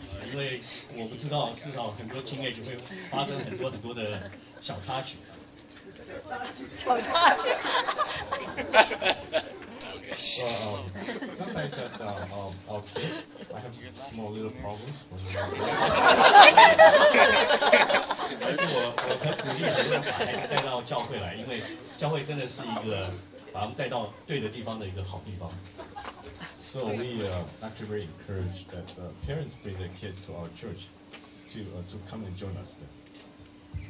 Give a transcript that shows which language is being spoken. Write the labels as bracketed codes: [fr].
[zh] 因为我不知道，至少很多 teenage 会发生很多很多的小插曲。小插曲。 [en] Sometimes that okay. I have small little problems. 哈哈哈哈 [zh] 但是我很鼓励能够把孩子带到教会来，因为教会真的是一个把他们带到对的地方的一个好地方。 [en] So we actually very encourage that parents bring their kids to our church to come and join us there.